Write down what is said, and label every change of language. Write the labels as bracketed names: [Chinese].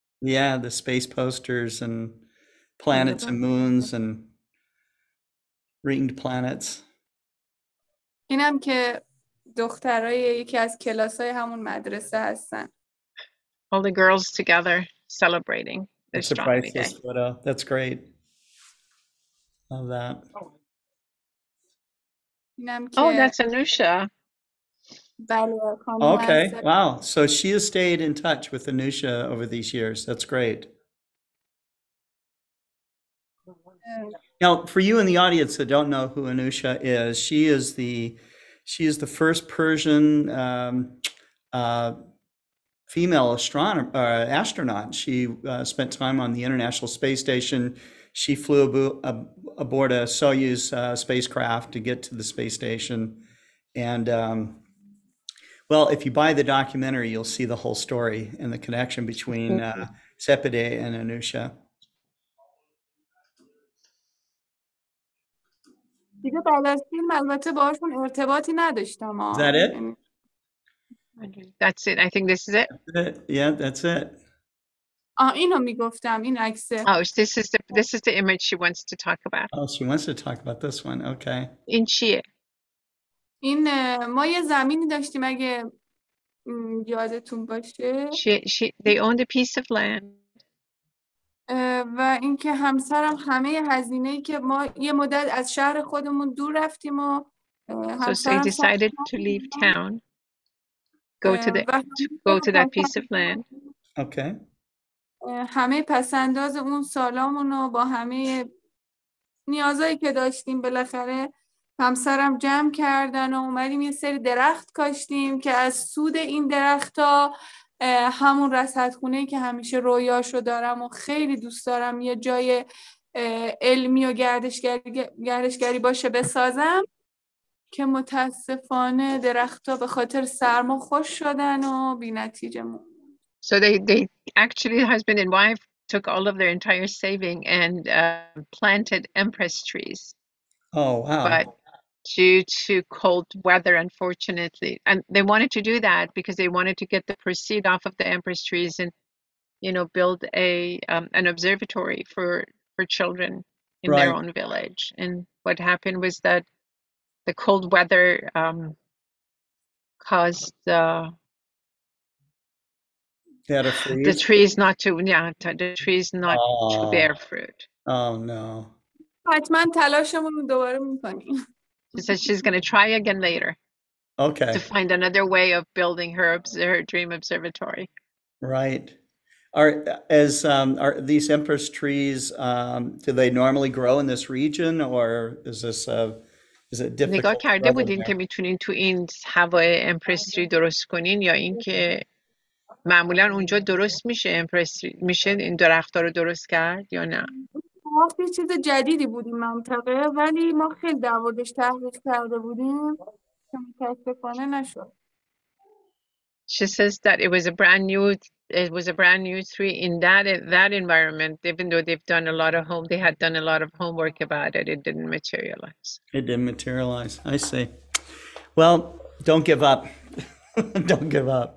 [English] Yeah, the space posters and planets and moons and ringed planets. [Persian] اینم که دخترای یکی از کلاسای همون مدرسه هستن. [English] All the girls together celebrating. It's a priceless photo. That's great. Love that. Oh, that's Anousheh. Okay. Wow. So she has stayed in touch with Anousheh over these years. That's great. Now, for you in the audience that don't know who Anousheh is, she is the first Persian female astronaut. She spent time on the International Space Station. She flew aboard a Soyuz spacecraft to get to the space station. And well, if you buy the documentary, you'll see the whole story and the connection between Sepideh and Anousheh. [Persian] دیگه بعد از فیلم الان باهاشون ارتباطی نداشتم. [English] Is that it? That's it. I think this is it. Yeah, that's it. [Persian] اینو میگفتم این عکس. [English] Oh, this is the image she wants to talk about. Oh, she wants to talk about this one. Okay. [Persian] این چیه؟ این ما یه زمینی داشتیم اگه یادتون باشه. [English] They owned a piece of land. [Persian] و اینکه همسرم همه هزینه‌ای که ما یه مدت از شهر خودمون دور رفتیم و همسرم [English] so they decided to leave town. Go to that piece of land. Okay. [Persian] همه پسنداز اون سالامون رو با همه نیازهایی که داشتیم بالاخره همسرم جمع کردن و اومدیم یه سری درخت کاشتیم که از سود این درخت ها همون رصدخونه که همیشه رویاشو دارم و خیلی دوست دارم یه جای علمی و گردشگری باشه بسازم که متاسفانه درخت ها به خاطر سرما خوش شدن و بی نتیجه مون. [English] So they actually, husband and wife, took all of their entire saving and planted empress trees. Oh, wow. But due to cold weather, unfortunately, and they wanted to do that because they wanted to get the proceeds off of the empress trees and, you know, build an observatory for children in right. their own village. And what happened was that the cold weather caused the... The trees not to, yeah, the trees not to bear fruit. Oh, no. She says she's going to try again later. Okay. To find another way of building her dream observatory. Right. Are these empress trees, do they normally grow in this region or is this a... Is it difficult? [Persian] نگاه کرده بودین که میتونین تو این هوای امپرس تری درست کنین یا اینکه معمولا اونجا درست میشه امپرسری میشه این درخت ها رو درست کرد یا نه؟ ما یه چیز جدیدی بودیم منطقه ولی ما خیلی در موردش تحقیق کرده بودیم که متاسفانه نشد. [English] She says that it was a brand new tree in that environment. Even though they've done a lot of home, they had done a lot of homework about it. It didn't materialize. I see. Well, don't give up. Don't give up.